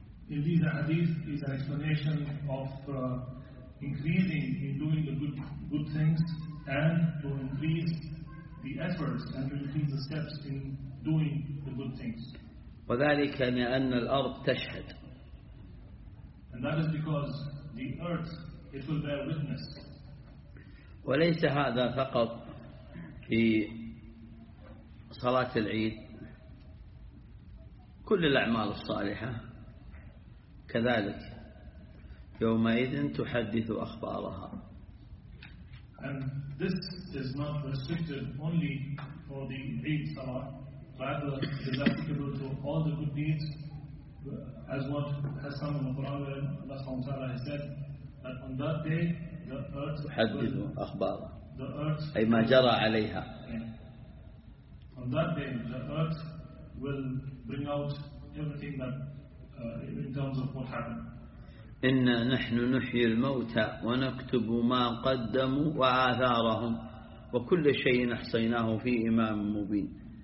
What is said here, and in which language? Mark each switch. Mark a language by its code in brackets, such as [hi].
[en] In this hadith is an explanation of increasing in doing the good things and to increase the efforts and to increase the steps in doing the good things. [ar] وذلك لأن الأرض تشهد. [en] And that is because the earth, it will bear witness. [ar] وليس هذا فقط في صلاة العيد، كل الأعمال الصالحة كذلك يومئذ تحدث أخبارها. [en] And this is not restricted only for the Eid Salah, rather it is applicable to all the good deeds, as what has come in the Quran, where Allah subhanahu wa ta'ala has said that on that day the earth [ar] تحدث أخبارها. [en] The earth, [ar] أي ما جرى عليها. [en] Yeah. On that day the earth will bring out everything that in terms of what happened. [ar] إنا نحن نحيي الموتى ونكتب ما قدموا وآثارهم وكل شيء أحصيناه في إمام مبين.